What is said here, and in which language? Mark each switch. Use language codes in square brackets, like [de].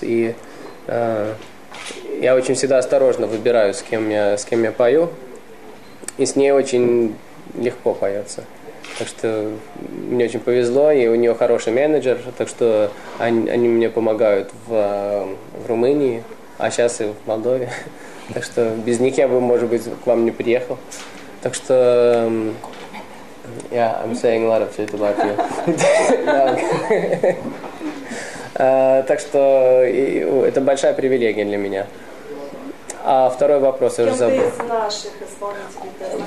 [ru] И я очень всегда осторожно выбираю, с кем я пою, и с ней очень легко поется. Так что мне очень повезло, и у нее хороший менеджер, так что они мне помогают в Румынии, а сейчас и в Молдове. Так что без них я бы, может быть, к вам не приехал. Так что... [en] Yeah, I'm saying a lot of shit about you. [ru] Так что это большая привилегия для меня. А второй вопрос я уже забыл. Кем ты из наших исполнителей?